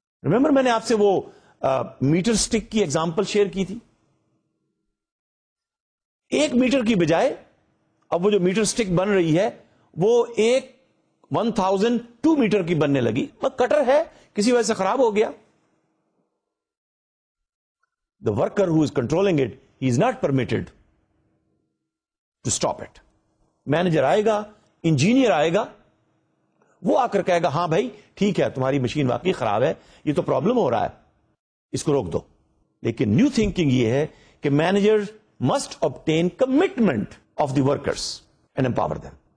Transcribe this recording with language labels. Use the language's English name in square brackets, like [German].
[Urdu] Remember میں نے آپ سے وہ میٹر سٹک کی ایگزامپل شیئر کی تھی. ایک میٹر کی بجائے اب وہ جو میٹر سٹک بن رہی ہے وہ ایک 1002 میٹر کی بننے لگی. وہ کٹر ہے کسی وجہ سے خراب ہو گیا. [English] The worker who is controlling it, he is not permitted to stop it. [Urdu] Manager آئے گا, engineer آئے گا, وہ آ کر کہے گا ہاں بھائی ٹھیک ہے تمہاری مشین واقعی خراب ہے, یہ تو پرابلم ہو رہا ہے, اس کو روک دو. لیکن نیو تھنکنگ یہ ہے کہ [English] Manager must obtain commitment of the workers and empower them.